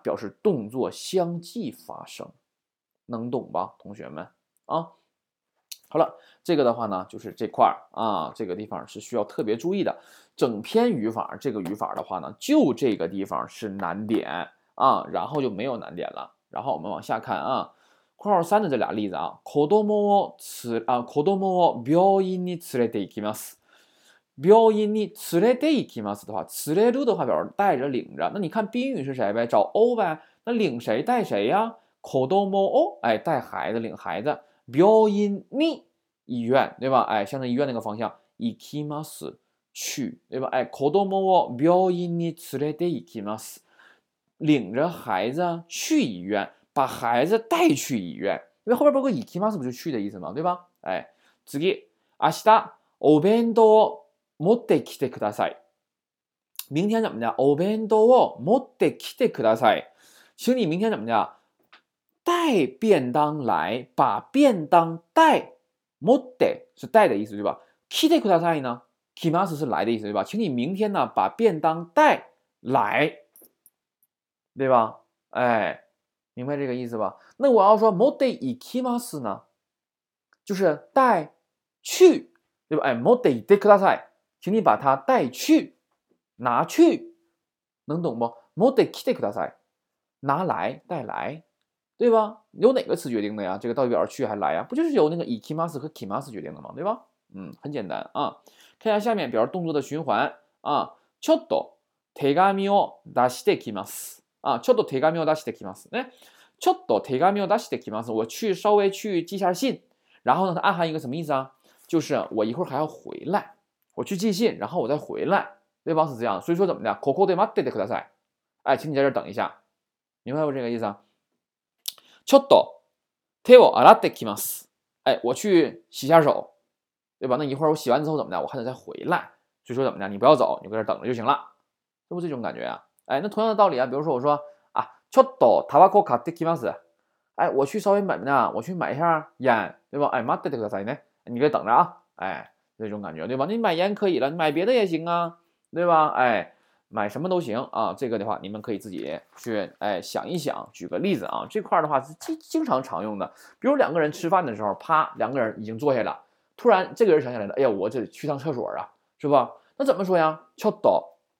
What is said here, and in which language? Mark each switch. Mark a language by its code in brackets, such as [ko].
[zh] 表示动作相继发生，能懂吧，同学们？啊，好了，这个的话呢，就是这块啊，这个地方是需要特别注意的。整篇语法，这个语法的话呢，就这个地方是难点啊，然后就没有难点了。然后我们往下看啊，括号三的这俩例子啊， [ja] 子供を病院に連れて行きます。病院に連れて行きますとは、連れるとは [zh] 表示带着领着。那你看宾语是谁呗，找 O 呗。那领谁带谁呀，子供哦，哎，带孩子，领孩子。病院に医院，对吧，哎，向着医院那个方向。行きます去，对吧，哎， [ja] 子供を病院に連れて行きます， [zh] 领着孩子去医院，把孩子带去医院。因为后边包括行きます不就去的意思吗，对吧，哎， [ja] 次明日お弁当を持ってきてください。 [zh] 明天怎么样， [ja] お弁当を持ってきてください。 [zh] 请你明天怎么样，带便当来，把便当带，持って是带的意思，对吧，来てください呢，来ます是来的意思，对吧，请你明天呢把便当带来，对吧，哎，明白这个意思吧。那我要说持って行きます呢，就是带去，对吧，哎， [ja] 持って行ってください， [zh] 请你把它带去，拿去，能懂不， [ja] 持って来てください， [zh] 拿来，带来，对吧，由哪个词决定的呀，这个到底表示去还来呀，不就是由那个行きます和来ます决定的吗，对吧，嗯，很简单啊。 [ja] 看一下下面表示动作的循环啊，ちょっと手紙を出してきます啊，ちょっと手紙を出してきます，ね，ちょっと手紙を出してきます， [zh] 我去稍微去寄下信，然后呢，它暗含一个什么意思啊？就是我一会儿还要回来，我去寄信，然后我再回来，对吧？是这样，所以说怎么的？ [ja] ここで待っててください， [zh] 哎，请你在这等一下，明白不这个意思啊？ [ja] ちょっと手を洗ってきます， [zh] 哎，我去洗下手。对吧，那一会儿我洗完之后怎么的，我还得再回来，所以说怎么的，你不要走，你搁这等着就行了，是不是这种感觉啊，哎，那同样的道理啊，比如说我说啊， [ja] ちょっとタバコ買ってきます， [zh] 哎，我去稍微买呢，我去买一下烟，对吧，哎， [ja] 待っててくださいね， [zh] 你搁等着啊，哎，这种感觉，对吧，你买烟可以了，你买别的也行啊，对吧，哎，买什么都行啊，这个的话你们可以自己去，哎，想一想，举个例子啊，这块的话是经常常用的，比如两个人吃饭的时候，啪，两个人已经坐下了，突然这个人想起来了，哎呀，我这去趟厕所啊，是吧，那怎么说呀，ちょっと